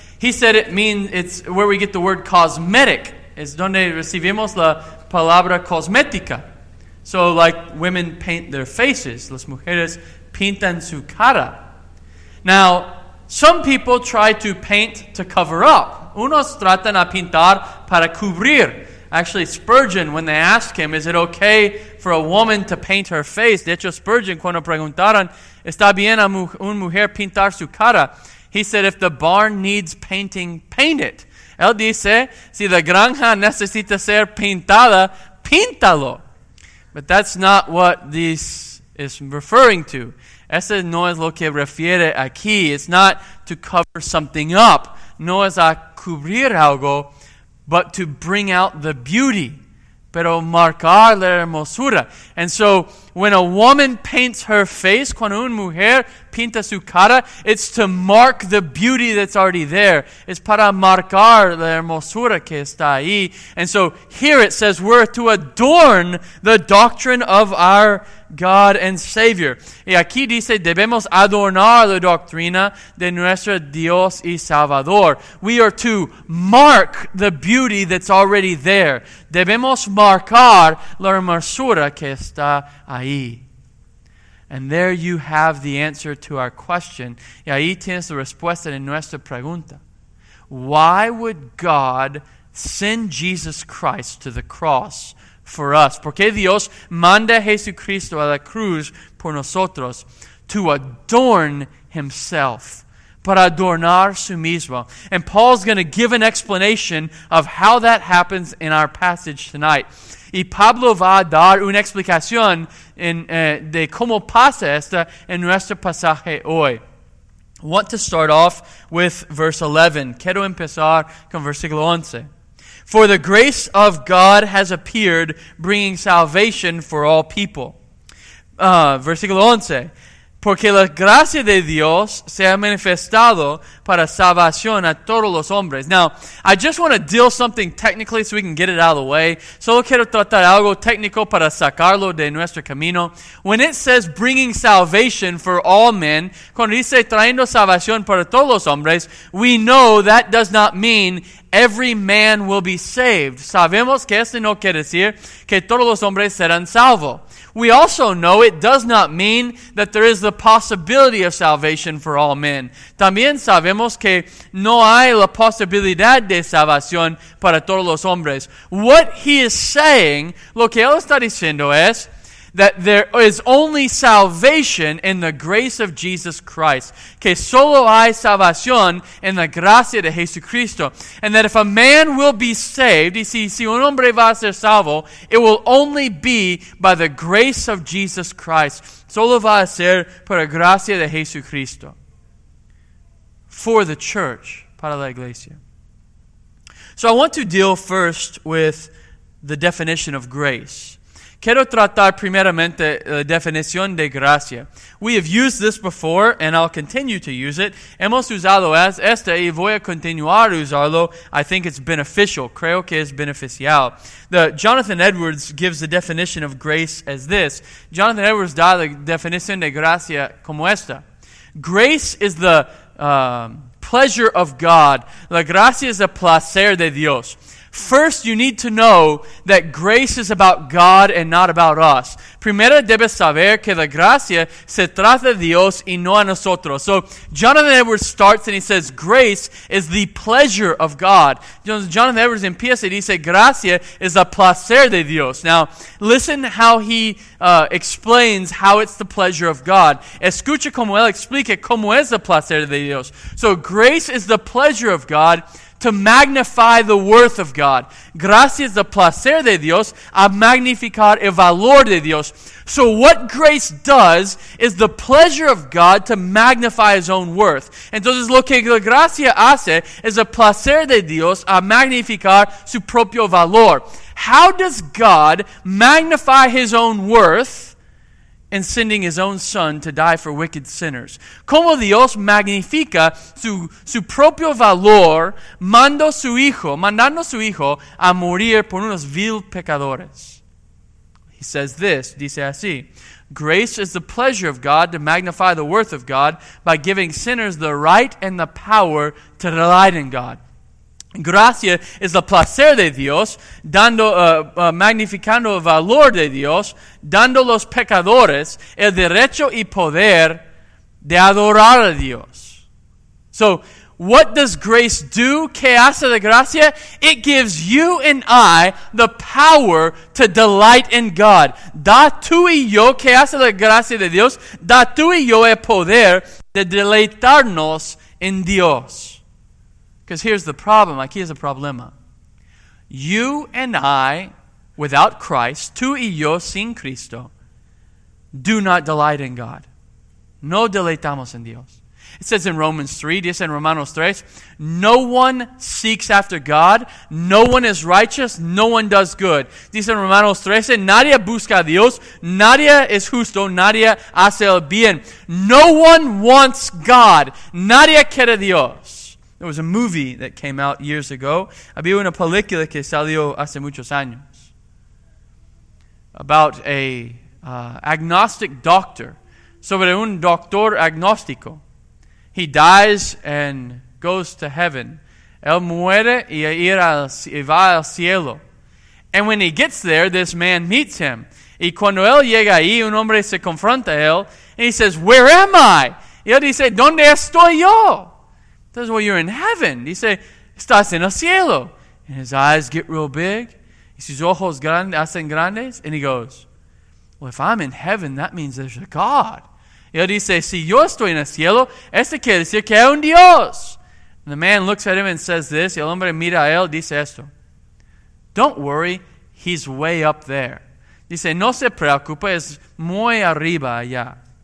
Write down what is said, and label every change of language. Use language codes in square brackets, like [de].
[en] He said it means, it's where we get the word cosmetic. [es] Es donde recibimos la palabra cosmética. [en] So like women paint their faces. [es] Las mujeres pintan su cara. [en] Now, some people try to paint to cover up. [es] Unos tratan a pintar para cubrir. [en] Actually, Spurgeon, when they asked him, is it okay for a woman to paint her face? [es] De hecho, Spurgeon, cuando preguntaron, ¿está bien a una mujer pintar su cara? [en] He said, if the barn needs painting, paint it. [es] Él dice, si la granja necesita ser pintada, píntalo. [en] But that's not what this is referring to. [es] Ese no es lo que refiere aquí. [en] It's not to cover something up. [es] No es a cubrir algo, [en] but to bring out the beauty. [es] Pero marcar la hermosura. [en] And so, when a woman paints her face, [es] cuando una mujer pinta su cara, [en] it's to mark the beauty that's already there. [es] Es para marcar la hermosura que está ahí. [en] And so, here it says, we're to adorn the doctrine of our God and Savior. [es] Y aquí dice, debemos adornar la doctrina de nuestro Dios y Salvador. [en] We are to mark the beauty that's already there. [es] Debemos marcar la hermosura que está ahí. [en] And there you have the answer to our question. [es] Y ahí tienes la respuesta en nuestra pregunta. [en] Why would God send Jesus Christ to the cross for us? [es] ¿Por qué Dios manda a Jesucristo a la cruz por nosotros? [en] To adorn himself. [es] Para adornar su mismo. [en] And Paul's going to give an explanation of how that happens in our passage tonight. [es] Y Pablo va a dar una explicación de cómo pasa esta en nuestro pasaje hoy. [en] Want to start off with verse 11. [es] Quiero empezar con versículo 11. [en] For the grace of God has appeared, bringing salvation for all people. [es] Versículo 11. Porque la gracia de Dios se ha manifestado para salvación a todos los hombres. [en] Now, I just want to deal something technically so we can get it out of the way. [es] Solo quiero tratar algo técnico para sacarlo de nuestro camino. [en] When it says bringing salvation for all men, [es] cuando dice trayendo salvación para todos los hombres, [en] we know that does not mean every man will be saved. [es] Sabemos que esto no quiere decir que todos los hombres serán salvos. [en] We also know it does not mean that there is the possibility of salvation for all men. [es] También sabemos que no hay la posibilidad de salvación para todos los hombres. [en] What he is saying, [es] lo que él está diciendo es, [en] that there is only salvation in the grace of Jesus Christ. [es] Que solo hay salvación en la gracia de Jesucristo. [en] And that if a man will be saved, [es] y si un hombre va a ser salvo, [en] it will only be by the grace of Jesus Christ. [es] Solo va a ser por la gracia de Jesucristo. [en] For the church, [es] para la iglesia. [en] So I want to deal first with the definition of grace. [es] Quiero tratar primeramente la definición de gracia. [en] We have used this before, and I'll continue to use it. [es] Hemos usado esta, y voy a continuar a usarlo. [en] I think it's beneficial. [es] Creo que es beneficial. [en] Jonathan Edwards gives the definition of grace as this. [es] Jonathan Edwards da la definición de gracia como esta. [en] Grace is the pleasure of God. [es] La gracia es el placer de Dios. [en] First, you need to know that grace is about God and not about us. [es] Primero debes saber que la gracia se trata de Dios y no a nosotros. [en] So, Jonathan Edwards starts and he says, grace is the pleasure of God. [es] Jonathan Edwards empieza y dice, gracia es el placer de Dios. [en] Now, listen how he explains how it's the pleasure of God. [es] Escucha cómo él explica cómo es el placer de Dios. [en] So, grace is the pleasure of God. To magnify the worth of God. [es] Gracias al placer de Dios, a magnificar el valor de Dios. [en] So what grace does is the pleasure of God to magnify his own worth. [es] Entonces lo que la gracia hace es el placer de Dios a magnificar su propio valor. [en] How does God magnify his own worth in sending his own son to die for wicked sinners? [es] ¿Cómo Dios magnifica su propio valor mandando su hijo a morir por unos vil pecadores? [en] He says this, [es] dice así, [en] grace is the pleasure of God to magnify the worth of God by giving sinners the right and the power to delight in God. [es] Gracia es el placer de Dios, magnificando el valor de Dios, dando a los pecadores el derecho y poder de adorar a Dios. [en] So, what does grace do? [es] ¿Qué hace la gracia? [en] It gives you and I the power to delight in God. [es] Da tú y yo, ¿qué hace la gracia de Dios? Da tú y yo el poder de deleitarnos en Dios. [en] Because here's the problem, like here's a problema. You and I, without Christ, [es] tú y yo sin Cristo, [en] do not delight in God. [es] No deleitamos en Dios. [en] It says in Romans 3, [es] dice en Romanos 3, [en] no one seeks after God, no one is righteous, no one does good. [es] Dice en Romanos 13, nadie busca a Dios, nadie es justo, nadie hace el bien. [en] No one wants God, [es] nadie quiere Dios. [en] There was a movie that came out years ago. [es] Había una película que salió hace muchos años [en] about a agnostic doctor, [es] sobre un doctor agnóstico. [en] He dies and goes to heaven. [es] Él muere y va al cielo. [en] And when he gets there, this man meets him. [es] Y cuando él llega ahí, un hombre se confronta a él. [en] And he says, where am I? [es] Y él dice, ¿dónde estoy yo? [en] He says, well, you're in heaven. He says, [es] estás en el cielo. [en] And his eyes get real big. [es] Y sus ojos grandes, hacen grandes. [en] And he goes, well, if I'm in heaven, that means there's a God. [es] Y él dice, si yo estoy en el cielo, este quiere decir que hay un Dios. [en] And the man looks at him and says this, [es] y el hombre mira a él, dice esto. [en] Don't worry, he's way up there. [es] Dice, no se preocupe, es muy arriba allá.